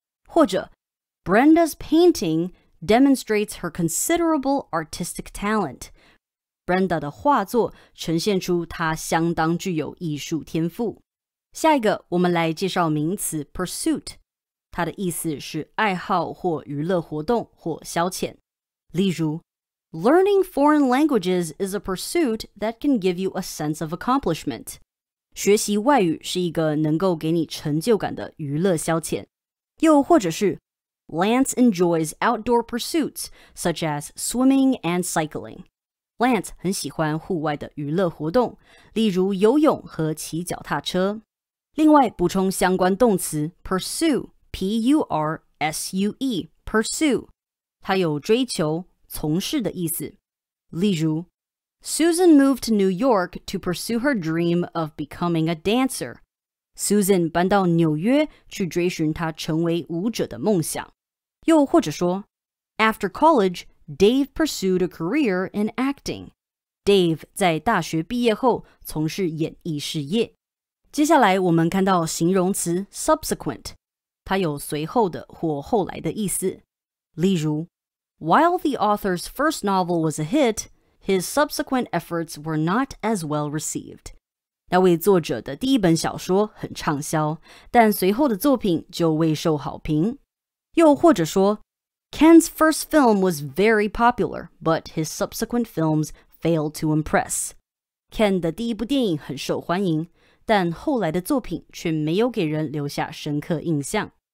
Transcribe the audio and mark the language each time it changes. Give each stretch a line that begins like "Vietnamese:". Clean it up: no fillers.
Chinese: 或者
English: ,Brenda's painting demonstrates her considerable artistic talent.
Chinese: Brenda 的画作呈现出她相当具有艺术天赋。下一个我们来介绍名词 pursuit。它的意思是爱好或娱乐活动或消遣。例如
English: ,Learning foreign languages is a pursuit that can give you a sense of accomplishment.
Chinese: 学习外语是一个能够给你成就感的娱乐消遣。又或者是
English: Lance enjoys outdoor pursuits, such as swimming and cycling.
Chinese: Lance 很喜欢户外的娱乐活动，例如游泳和骑脚踏车。另外补充相关动词 pursue, P-U-R-S-U-E, pursue. 它有追求、从事的意思。例如
English: Susan moved to New York to pursue her dream of becoming a dancer.
Chinese: Susan 搬到纽约去追寻她成为舞者的梦想。又或者说
English: ,After college, Dave pursued a career in acting.
Chinese: Dave 在大学毕业后从事演艺事业。接下来我们看到形容词 subsequent, 它有随后的或后来的意思。例如
English: ,While the author's first novel was a hit,His subsequent efforts were not as well received.
Chinese: 那位作者的第一本小说很畅销，但随后的作品就未受好评。又或者说
English: ,Ken's first film was very popular, but his subsequent films failed to impress.
Chinese: Ken 的第一部电影很受欢迎，但后来的作品却没有给人留下深刻印象。